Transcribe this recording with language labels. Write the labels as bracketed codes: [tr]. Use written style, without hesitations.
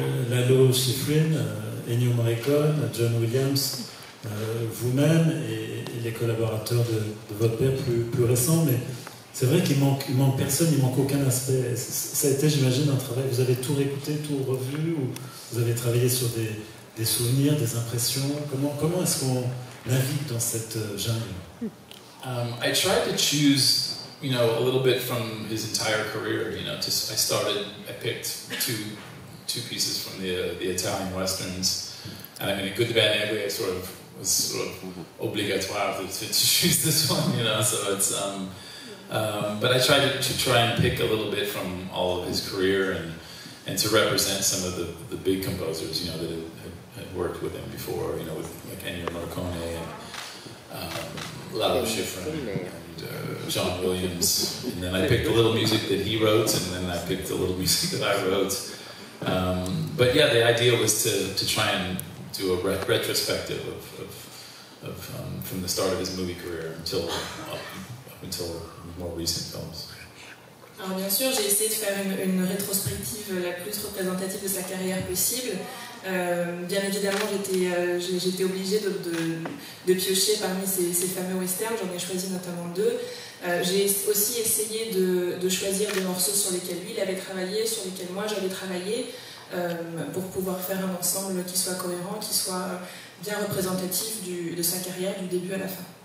[fr] Lalo Schifrin, Ennio Morricone, John Williams, vous-même et les collaborateurs de votre père plus récents, mais c'est vrai qu'il manque personne, il manque aucun aspect. Ça a été, j'imagine, un travail. Vous avez tout réécouté, tout revu, ou vous avez travaillé sur des souvenirs, des impressions. Comment est-ce qu'on navigue dans cette jungle? [en] I tried to choose, you know, a little bit from his entire career. You know, just I picked two pieces from the Italian westerns, and I mean, a good bad ugly, I sort of. Was sort of obligatoire to choose this one, you know. So it's, but I tried to try and pick a little bit from all of his career and to represent some of the big composers, you know, that had worked with him before, you know, with like Ennio Morricone and Lalo Schifrin and John Williams. And then I picked a little music that he wrote, and then I picked a little music that I wrote. But yeah, the idea was to try and do a retrospective of from the start of his movie career up until more recent films. [fr] Alors bien sûr, j'ai essayé de faire une rétrospective la plus représentative de sa carrière possible. Bien évidemment, j'étais obligée de piocher parmi ces fameux westerns. J'en ai choisi notamment deux. J'ai aussi essayé de choisir des morceaux sur lesquels lui il avait travaillé, sur lesquels moi j'avais travaillé, pour pouvoir faire un ensemble qui soit cohérent, qui soit bien représentatif de sa carrière du début à la fin.